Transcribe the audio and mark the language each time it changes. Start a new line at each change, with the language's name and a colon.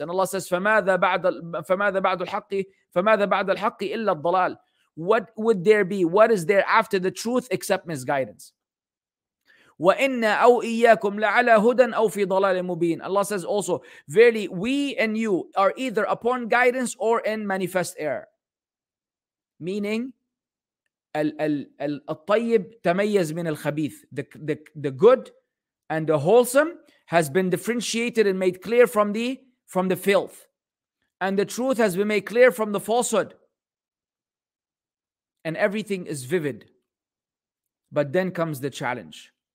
English: And Allah says,
Arabic: فَمَاذَا بَعْدَ الْحَقِّ إِلَّا الضَّلَالِ.
English: What would there be? What is there after the truth except misguidance?
Arabic: وَإِنَّ أَوْ إِيَّاكُمْ لَعَلَى هُدًى أَوْ فِي ضَلَالٍ مُبِينٍ.
English: Allah says also, verily, we and you are either upon guidance or in manifest error.
Arabic: Meaning, الطيب تميز من الخبيث.
English: The good and the wholesome has been differentiated and made clear from the filth. And the truth has been made clear from the falsehood. And everything is vivid. But then comes the challenge.